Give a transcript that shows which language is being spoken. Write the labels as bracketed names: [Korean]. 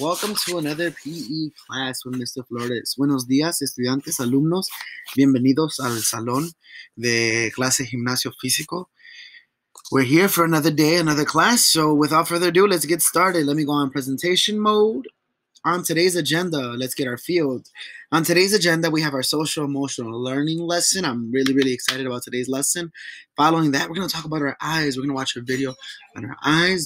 [English] Welcome to another PE class with Mr. [Spanish] Flores. Buenos días, estudiantes, alumnos. Bienvenidos al salón de clase gimnasio físico. [English] We're here for another day, another class. So without further ado, let's get started. Let me go on presentation mode. On today's agenda, let's get our field. On today's agenda, we have our social emotional learning lesson. I'm really, really excited about today's lesson. Following that, we're going to talk about our eyes. We're going to watch a video on our eyes.